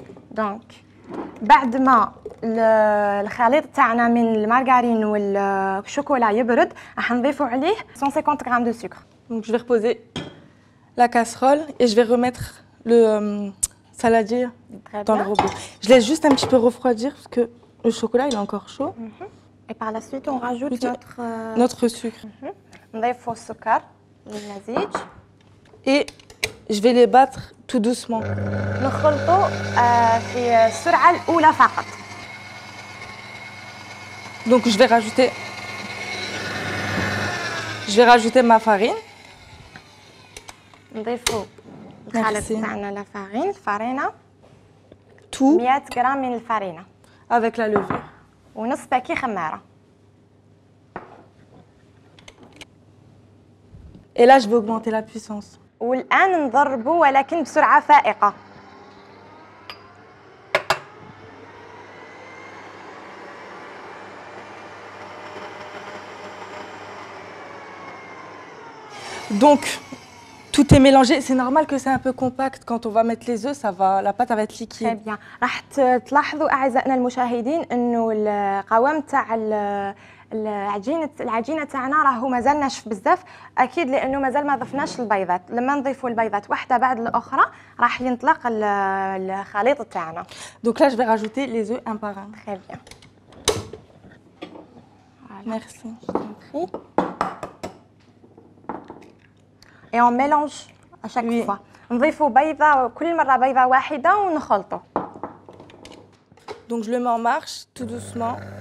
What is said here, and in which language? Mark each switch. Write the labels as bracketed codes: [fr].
[ar] Donc, بعد ما الخليط تاعنا من المارغارين والشوكولا يبرد راح نضيفوا عليه 150 غرام دو سكر. [fr] Donc je vais reposer la casserole et je vais remettre le saladier dans le robot. Je laisse juste un petit peu refroidir parce que le chocolat il est encore chaud. Mm-hmm. Et par la suite, on rajoute notre sucre. On va faire le sucre, le mazij. Et je vais les battre tout doucement. [ar] Le خلطو في السرعه الاولى فقط. [fr] Donc je vais rajouter ma farine. [ar] نضيفو الخليط تاعنا [fr] لا فارين [ar] الفرينه تو 100 غرام من الفرينه [fr] avec la levure [ar] ونص باكي خماره [fr] et là je vais augmenter la puissance [ar] والان نضربو ولكن بسرعه فائقه [fr] donc Tout est mélangé. C'est normal que c'est un peu compact. Quand on va mettre les œufs, ça va, la pâte va être liquide. Très bien. [ar] راح تلاحظوا أعزائنا المشاهدين إنه القوام تاع العجينة تاعنا راهو مازال ناشف بزاف. أكيد لأنه مازال ما ضفناش البيضات. لما نضيفوا البيضات واحدة بعد الأخرى راح ينطلق الخليط تاعنا. [fr] Donc là, je vais rajouter les œufs un par un. Très bien. Merci. Et on mélange à chaque oui. fois. [ar] On ضيفو بيضة كل مرة بيضة واحدة ونخلطو. [fr] Donc je le mets en marche tout doucement.